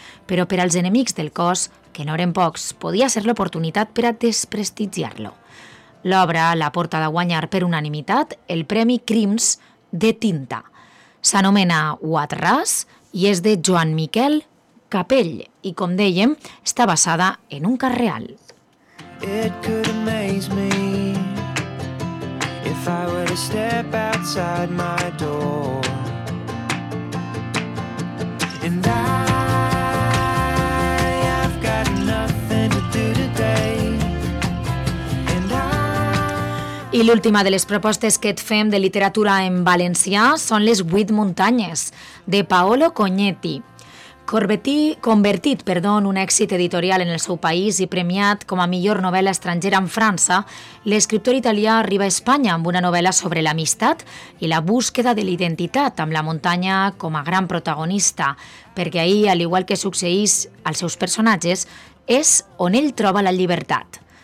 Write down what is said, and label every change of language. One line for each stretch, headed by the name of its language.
Catalan: Però per als enemics del cos, que no eren pocs, podia ser l'oportunitat per a desprestigiar-lo. L'obra la porta a guanyar per unanimitat el Premi Crims de Tinta. S'anomena Wattràs i és de Joan Miquel Capell. I com dèiem, està basada en un cas real.
English: It could amaze me if I were to step outside my door. And I've got nothing to do today.
Catalan: And I l'última de les propostes que et fem de literatura en valencià són les 8 muntanyes, de Paolo Cognetti. Convertit en un èxit editorial en el seu país i premiat com a millor novel·la estrangera en França, l'escriptor italià arriba a Espanya amb una novel·la sobre l'amistat i la búsqueda de l'identitat amb la muntanya com a gran protagonista, perquè ahir, al igual que succeeix als seus personatges, és on ell troba la llibertat.